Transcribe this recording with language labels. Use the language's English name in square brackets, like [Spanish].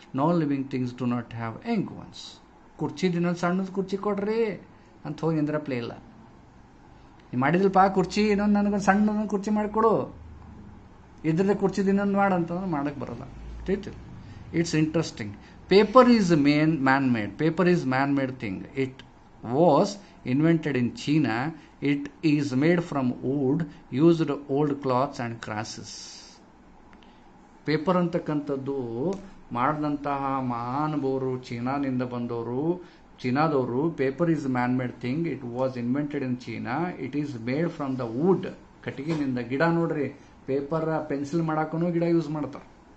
[English] Non living things do not have young ones. [Kannada] ಕುರ್ಚಿ ಇನ್ನೊಂದು ಸಣ್ಣದ ಕುರ್ಚಿ ಕೊಡ್ರಿ ಅಂತ ಹೋಗಿ ಅಂದ್ರೆ ಪ್ಲೇ ಇಲ್ಲ, ನೀವು ಮಾಡಿದ್ರಪ್ಪ ಕುರ್ಚಿ ಇನ್ನೊಂದು ನನಗೊಂದು ಸಣ್ಣದ ಕುರ್ಚಿ ಮಾಡಿಕೊಡು, ಇದ್ರದ್ದೇ ಕುರ್ಚಿದ ಇನ್ನೊಂದು ಮಾಡು ಅಂತಂದ್ರೆ ಮಾಡಕ್ಕೆ ಬರಲ್ಲ. [English] Teach it's interesting. Paper is main man made, paper is man made thing. It was invented in China. It is made from wood, used old cloths and grasses. [Kannada] Paper ಅಂತಕ್ಕಂಥದ್ದು ಮಾಡಿದಂತಹ ಮಹಾನುಭವರು ಚೀನಾದಿಂದ ಬಂದವರು ಚೀನಾದವರು. [English] paper is man made thing, it was invented in China, it is made from the wood, [Kannada] ಕಟ್ಟಿಗಿನಿಂದ. ಗಿಡ ನೋಡ್ರಿ, paper pencil ಮಾಡಕ್ಕೂ ಗಿಡ use ಮಾಡ್ತಾರೆ.